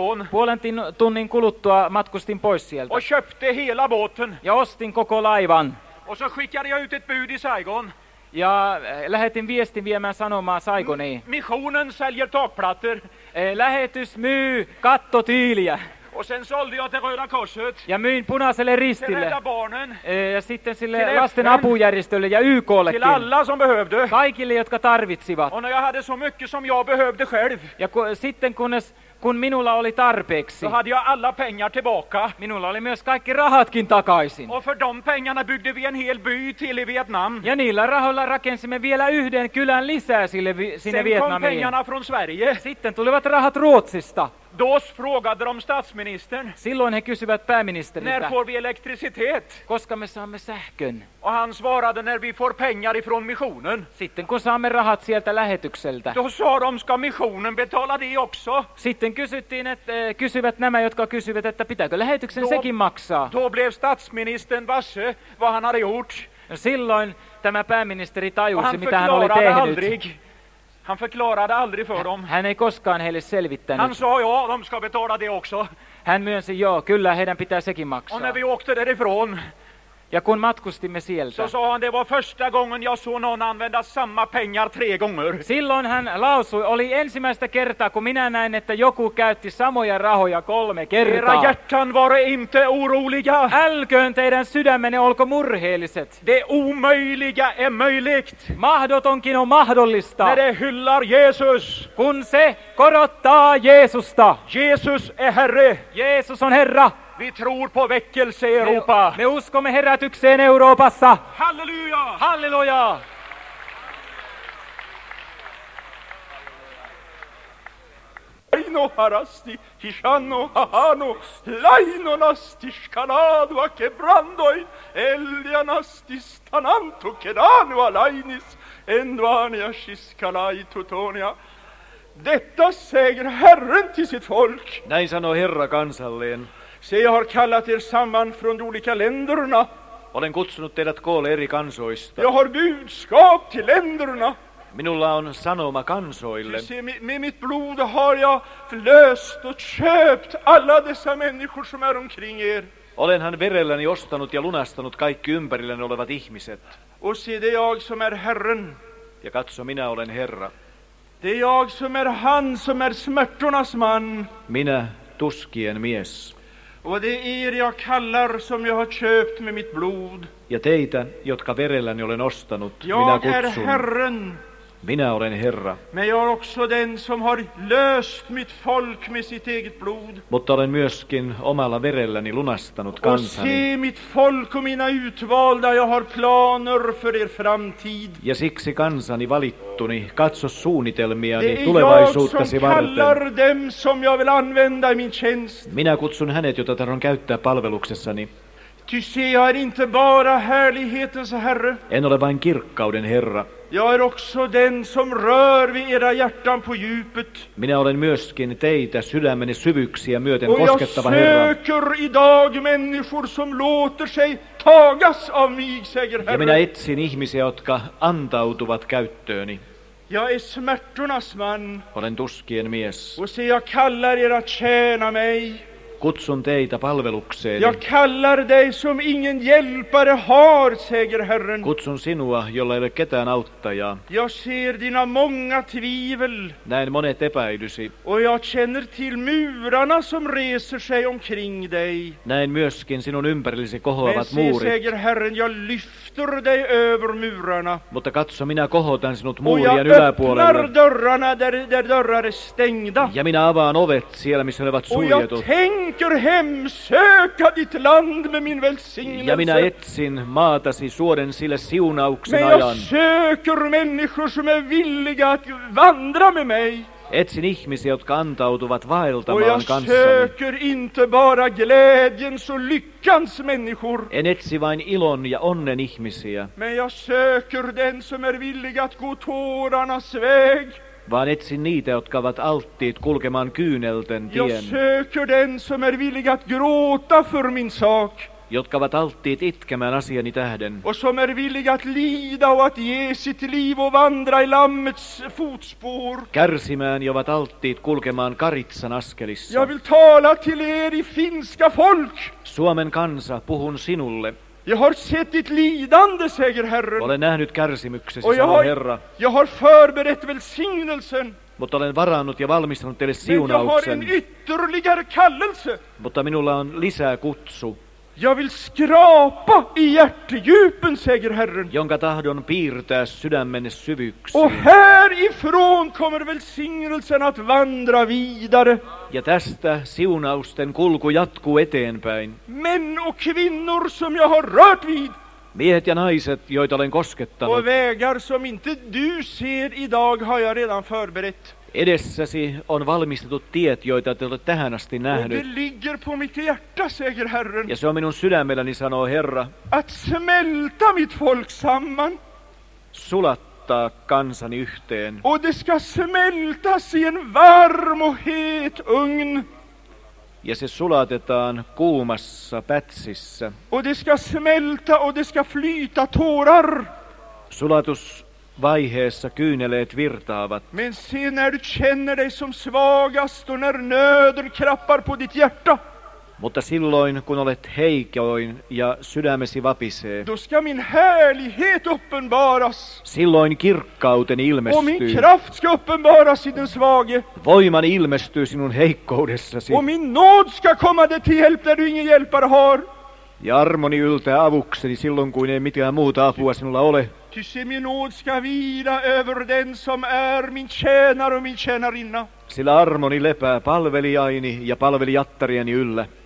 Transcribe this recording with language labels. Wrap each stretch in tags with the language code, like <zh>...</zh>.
<fi>Puolen tunnin kuluttua matkustin pois sieltä. Ja ostin koko laivan.</fi> <sv>Och så skickade jag ut ett bud i Saigon.</sv> <fi>Ja lähetin viestin viemään sanomaa Saigoniin.</fi> <sv>Missionen säljer takplattor.</sv> <fi>Lähetys myy kattotiiliä.</fi> <sv>Och sen sålde jag till Röda Korset.</sv> <fi>Ja myin Punaiselle Ristille.</fi> <sv>Till Rädda Barnen.</sv> <fi>Ja sitten sille lasten apujärjestölle ja YK:llekin.</fi> <sv>Till alla som behövde.</sv> <fi>Kaikille, jotka tarvitsivat.</fi> <sv>Och när jag hade så mycket som jag behövde själv.</sv> <fi>Ja sitten kun minulla oli tarpeeksi.</fi> <sv>Då hade jag alla pengar tillbaka.</sv> <fi>Minulla oli myös kaikki rahatkin takaisin.</fi> <sv>Och för de pengarna byggde vi en hel by till i Vietnam.</sv> <fi>Ja niillä rahoilla rakensimme vielä yhden kylän lisää sinne sen Vietnamiin.</fi> <sv>Sen kom pengarna från Sverige.</sv> <fi>Sitten tulivat rahat Ruotsista.</fi> <sv>Då frågade de statsministern.</sv> <fi>Silloin he kysyvät pääministeriltä.</fi> <sv>När får vi elektricitet?</sv> <fi>Koska me saamme sähkön?</fi> <sv>Och han svarade när vi får pengar ifrån missionen.</sv> <fi>Sitten kun saamme rahat sieltä lähetykseltä.</fi> <sv>Då sa de, ska missionen betala det också?</sv> <fi>Sitten kysyttiin, että kysyvät nämä, jotka kysyvät, että pitääkö lähetyksen sekin maksaa.</fi> <sv>Då blev statsministern varse vad han hade gjort.</sv> <fi>Silloin tämä pääministeri tajusi, mitä hän oli tehnyt.</fi> <sv>Aldrig. Han förklarade aldrig för dem.</sv> <fi>Hän ei koskaan heille selvittänyt.</fi> <sv>Han sa, ja, de ska betala det också.</sv> <fi>Hän myönsi, joo, kyllä, heidän pitää sekin maksaa.</fi> <sv>Och när vi åkte därifrån.</sv> <fi>Ja kun matkustimme sieltä.</fi> <sv>Så sa han, det var första gången jag såg någon använda samma pengar 3 gånger.</sv> <fi>Silloin hän lausui, oli ensimmäistä kertaa, kun minä näin, että joku käytti samoja rahoja 3 kertaa.</fi> <sv>Era hjärtan var inte oroliga.</sv> <fi>Älköön teidän sydämenne olko murheelliset.</fi> <sv>Det omöjliga är möjligt.</sv> <fi>Mahdotonkin on mahdollista.</fi> <sv>När det hyllar Jesus.</sv> <fi>Kun se korottaa Jeesusta.</fi> <sv>Jesus är Herre.</sv> <fi>Jeesus on Herra.</fi> <sv>Vi tror på väckelse i Europa.</sv> <fi>Me uskomme herätykseen Euroopassa. Halleluja! Halleluja! Laino harasti, hishanno hahano, laino nasti skanadu a kebrandoi, elia nasti stananto kedanu a lainis, enduania shiskalai tutonia.</fi> <sv>Detta säger Herren till sitt folk.</sv> <fi>Näin sanoo Herra kansalleen.</fi> <sv>Se jag har kallat er samman från olika länderna.</sv> <fi>Olen kutsunut teidät koolle eri kansoista.</fi> <sv>Jag har budskap till länderna.</sv> <fi>Minulla on sanoma kansoille.</fi> <sv>Med mitt blod har jag förlöst och köpt alla dessa människor som är omkring er.</sv> <fi>Olenhan verelläni ostanut ja lunastanut kaikki ympärilläni olevat ihmiset.</fi> <sv>Och se, det är jag som är Herren.</sv> <fi>Ja katso, minä olen Herra.</fi> <sv>Det är jag som är han som är smärtornas man.</sv> <fi>Minä, tuskien mies.</fi> <sv>Och det är er jag kallar som jag har köpt med mitt blod.</sv> <fi>Ja teitä, jotka verelläni olen ostanut,</fi> <sv>jag</sv> <fi>minä kutsun.</fi> <sv>Jag är Herren.</sv> <fi>Minä olen Herra.</fi> <sv>Men jag är också den som har löst mitt folk med sitt eget blod.</sv> <fi>Mutta olen myöskin omalla verelläni lunastanut kansani.</fi> <sv>Och se, mitt folk och mina utvalda, jag har planer för er framtid.</sv> <fi>Ja siksi kansani valittuni, katso suunnitelmiani tulevaisuuttasi varten.</fi> <sv>Det är jag som kallar dem som jag vill använda i min tjänst.</sv> <fi>Minä kutsun hänet, jota tarvon käyttää palveluksessani.</fi> <sv>Ty se, jag är inte bara härlighetens herre.</sv> <fi>En ole vain kirkkauden herra.</fi> <sv>Jag är också den som rör vid era hjärtan på djupet.</sv> <fi>Minä olen myöskin teitä sydämeni syvyyksiä myöten</fi> <sv>och</sv> <fi>koskettava</fi> <sv>jag söker</sv> <fi>herra.</fi> <sv>Idag människor som låter sig tagas av mig, säger herre.</sv> <fi>Ja minä etsin ihmisiä, jotka antautuvat käyttööni.</fi> <sv>Jag är smärtornas man.</sv> <fi>Olen tuskien mies.</fi> <sv>Och se, jag kallar er att tjäna mig.</sv> <fi>Kutsun teitä palvelukseen.</fi> <sv>Jag kallar dig som ingen hjälpare har, säger Herren.</sv> <fi>Kutsun sinua, jolla ei ole ketään auttajaa.</fi> <sv>Jag ser dina många tvivel.</sv> <fi>Näen monet epäilysi.</fi> <sv>Och jag känner till murarna som reser sig omkring dig.</sv> <fi>Näen myöskin sinun ympärillesi kohoavat muurit.</fi> <sv>Men se, säger Herren, jag lyfter dig över murarna.</sv> <fi>Mutta katso, minä kohotan sinut muurien yläpuolella.</fi> <sv>Och jag öppnar dörrarna där dörrar är stängda.</sv> <fi>Ja minä avaan ovet siellä, missä ne ovat suljetut.</fi> <sv>Tänker hemsöka ditt land med min välsignelse.</sv> <fi>Ja minä etsin maatasi suoden sille siunauksen ajan.</fi> <sv>Men jag</sv> <fi>ajan.</fi> <sv>Söker människor som är villiga att vandra med mig.</sv> <fi>Etsin ihmisiä, jotka antautuvat vaeltamaan kanssani.</fi> <sv>Och jag söker inte bara glädjens och lyckans människor.</sv> <fi>En etsi vain ilon ja onnen ihmisiä.</fi> <sv>Men jag söker den som är villig att gå tårarnas väg.</sv> <fi>Vaan etsin niitä, jotka ovat alttiit kulkemaan kyynelten tien.</fi> <sv>Jag söker den som är villig att gråta för min sak.</sv> <fi>Jotka ovat alttiit itkemään asiani tähden.</fi> <sv>Och som är villig att lida och att ge sitt liv och vandra i lammets fotspår.</sv> <fi>Kärsimään ja ovat alttiit kulkemaan karitsan askelissa.</fi> <sv>Jag vill tala till er i finska folk.</sv> <fi>Suomen kansa, puhun sinulle.</fi> <sv>Jag har sett ditt lidande, säger Herren.</sv> <fi>Olen nähnyt kärsimyksesi, sanoo Herra.</fi> <sv>Jag har förberett välsignelsen.</sv> <fi>Mutta olen varannut ja valmistanut teille siunauksen.</fi> <sv>Men jag har en ytterligare kallelse.</sv> <fi>Mutta minulla on lisää kutsu.</fi> <sv>Jag vill skrapa i hjärtdjupen, säger Herren.</sv> <fi>Jonka tahdon piirtää sydämenne syvyksiin.</fi> <sv>Och härifrån kommer välsignelsen att vandra vidare.</sv> <fi>Ja tästä siunausten kulku jatkuu eteenpäin.</fi> <sv>Män och kvinnor som jag har rört vid.</sv> <fi>Miehet ja naiset, joita olen koskettanut.</fi> <sv>Och vägar som inte du ser idag har jag redan förberett.</sv> <fi>Edessäsi on valmistetut tiet, joita te olette tähän asti nähnyt.</fi> <sv>Och det ligger på mitt hjärta, säger Herren.</sv> <fi>Ja se on minun sydämelläni, sanoo Herra.</fi> <sv>Att smälta mitt folk samman.</sv> <fi>Sulattaa kansani yhteen.</fi> <sv>Och det ska smältas i en varm och het ugn.</sv> <fi>Ja se sulatetaan kuumassa pätsissä.</fi> <sv>Och det ska smälta och det ska flyta tårar.</sv> <fi>Sulatus vaiheessa kyyneleet virtaavat.</fi> <sv>Men se, när du känner dig som svagast och när nöden krappar på ditt hjärta.</sv> <fi>Mutta silloin, kun olet heikoin ja sydämesi vapisee.</fi> <sv>Då ska min härlighet uppenbaras.</sv> <fi>Silloin kirkkauteni ilmestyy.</fi> <sv>Och min kraft ska uppenbaras i den svage.</sv> <fi>Voimani ilmestyy sinun heikkoudessasi.</fi> <sv>Och min nåd ska komma dig till hjälp när du ingen hjälpare har.</sv> <fi>Ja armoni yltää avukseni silloin, kun ei mitään muuta apua sinulla ole.</fi> <sv>Ty se, min nåd ska vila över den som är min tjänare och min tjänarinna.</sv> <fi>Sillä armoni lepää palvelijaini ja palvelijattarieni yllä.</fi>